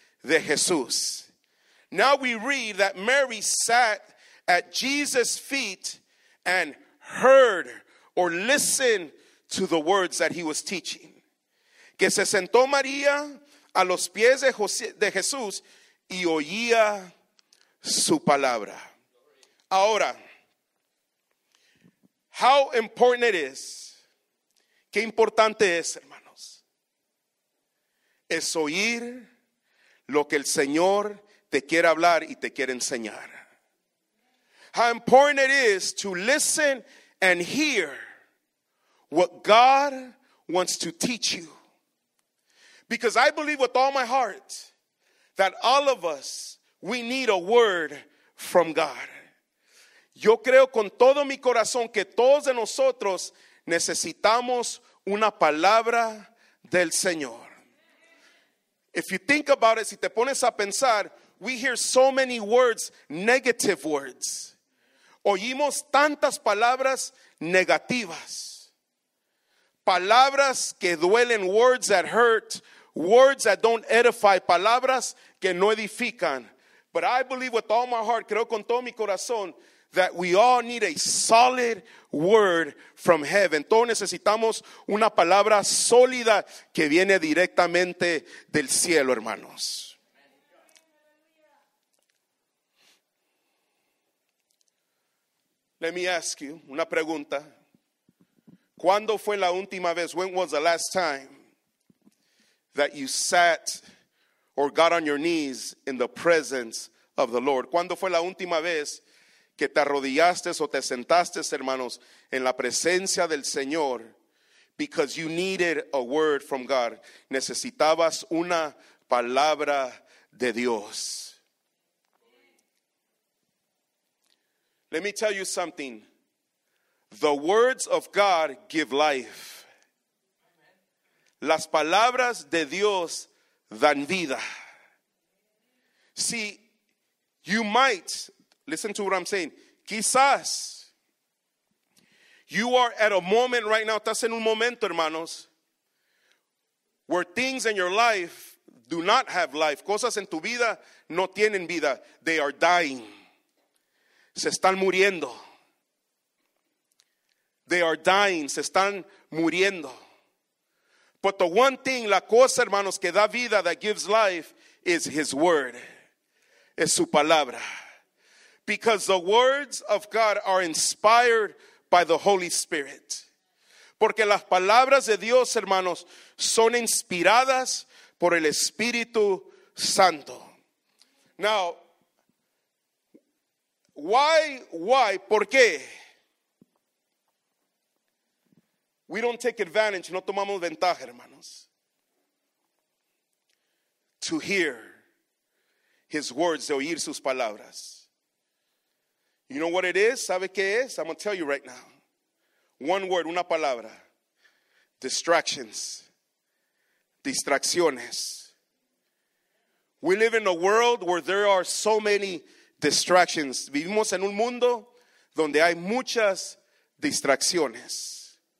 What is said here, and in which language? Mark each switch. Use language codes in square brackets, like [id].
[es] De Jesús. [en] Now we read that Mary sat at Jesus' feet and heard or listened to the words that he was teaching. [es] Que se sentó María a los pies de, de Jesús y oía su palabra. Ahora, [en] how important it is. [es] Qué importante es, hermanos. Es oír lo que el Señor te quiere hablar y te quiere enseñar. [en] How important it is to listen and hear what God wants to teach you. Because I believe with all my heart that all of us, we need a word from God. [es] Yo creo con todo mi corazón que todos de nosotros necesitamos una palabra del Señor. [en] If you think about it, [es] si te pones a pensar, [en] we hear so many words, negative words. [es] Oímos tantas palabras negativas. Palabras que duelen, [en] words that hurt, words that don't edify, [es] palabras que no edifican. [en] But I believe with all my heart, [es] creo con todo mi corazón, [en] that we all need a solid word from heaven. [es] Todos necesitamos una palabra sólida que viene directamente del cielo, hermanos. [en] Let me ask you, [es] una pregunta. ¿Cuándo fue la última vez? [en] When was the last time that you sat or got on your knees in the presence of the Lord? [es] ¿Cuándo fue la última vez que te arrodillaste o te sentaste, hermanos, en la presencia del Señor? [en] Because you needed a word from God. [es] Necesitabas una palabra de Dios. [en] Let me tell you something. The words of God give life. [es] Las palabras de Dios dan vida. [en] See, you might, listen to what I'm saying. [es] Quizás, [en] you are at a moment right now, [es] estás en un momento, hermanos, [en] where things in your life do not have life. [es] Cosas en tu vida no tienen vida. [en] They are dying. [es] Se están muriendo. [en] They are dying. [es] Se están muriendo. [en] But the one thing, [es] la cosa, hermanos, que da vida, [en] that gives life, is his word. [es] Es su palabra. [en] Because the words of God are inspired by the Holy Spirit. [es] Porque las palabras de Dios, hermanos, son inspiradas por el Espíritu Santo. [en] Now, Why, [es] por qué? [en] We don't take advantage, [es] no tomamos ventaja, hermanos. [en] To hear his words, [es] de oír sus palabras. [en] You know what it is? [es] ¿Sabe qué es? [en] I'm going to tell you right now. One word, [es] una palabra. [en] Distractions. [es] Distracciones. [en] We live in a world where there are so many distractions. [es] Vivimos en un mundo donde hay muchas distracciones.